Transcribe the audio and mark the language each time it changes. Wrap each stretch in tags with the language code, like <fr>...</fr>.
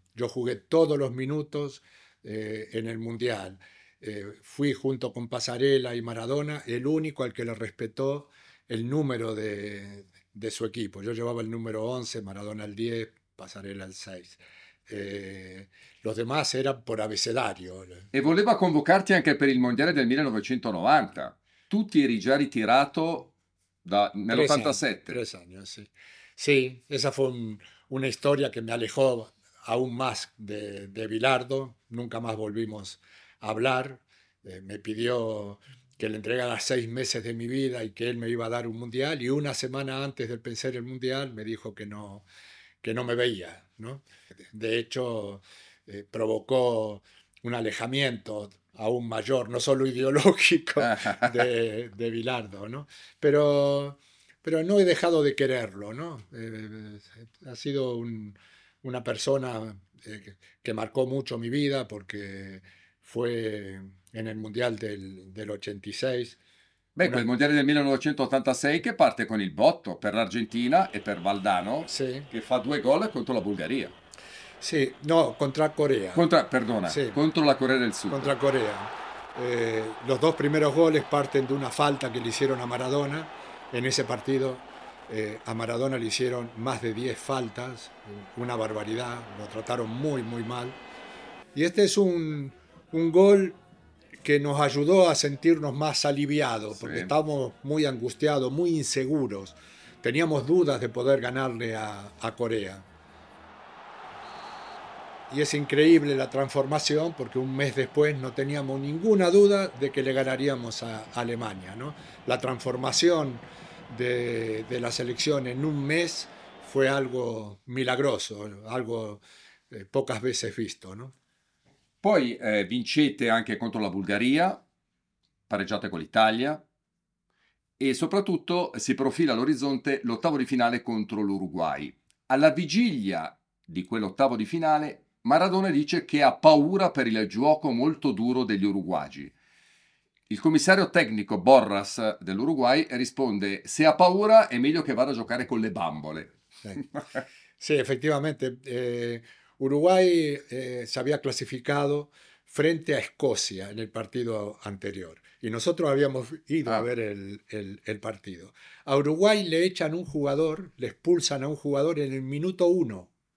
<es>Yo jugué todos los minutos en el Mundial. Fui junto con Pasarela y Maradona el único al que le respetó el número de su equipo. Yo llevaba el número 11, Maradona el 10, Pasarela el 6. Los demás eran por abecedario.</es> <it>E voleva convocarti anche per il Mondiale del 1990. Tu ti eri già ritirato nell'87.</it> <es>Tres años, sí. Sí, esa fue una historia que me alejó aún más de Bilardo. Nunca más volvimos hablar, me pidió que le entregara 6 meses de mi vida y que él me iba a dar un mundial, y una semana antes de pensar el mundial me dijo que no me veía, ¿no? De hecho, provocó un alejamiento aún mayor, no solo ideológico, de Bilardo, ¿no? Pero no he dejado de quererlo, ¿no? Ha sido una persona que marcó mucho mi vida porque fue en el Mundial del 86.</es> <it>Beh, quel Mundiale del 1986 che parte con il botto per l'Argentina e per Valdano, sì, che fa 2 gol contro la Bulgaria. Sì, no, contro Corea. Contro la Corea del Sud. Contro Corea.</it> <es>Los dos primeros goles parten de una falta que le hicieron a Maradona. En ese partido a Maradona le hicieron más de 10 faltas, una barbaridad, lo trataron muy, muy mal. Y este es un gol que nos ayudó a sentirnos más aliviados, porque sí, estábamos muy angustiados, muy inseguros. Teníamos dudas de poder ganarle a Corea. Y es increíble la transformación, porque un mes después no teníamos ninguna duda de que le ganaríamos a Alemania, ¿no? La transformación de la selección en un mes fue algo milagroso, algo pocas veces visto, ¿no?</es> <it>Poi vincete anche contro la Bulgaria, pareggiate con l'Italia e soprattutto si profila all'orizzonte l'ottavo di finale contro l'Uruguay. Alla vigilia di quell'ottavo di finale, Maradona dice che ha paura per il gioco molto duro degli uruguagi. Il commissario tecnico Borras dell'Uruguay risponde: se ha paura è meglio che vada a giocare con le bambole. Sì, effettivamente.</it> <es>Uruguay se había clasificado frente a Escocia en el partido anterior. Y nosotros habíamos ido a ver el partido. A Uruguay le echan un jugador, le expulsan a un jugador en el minuto uno.</es>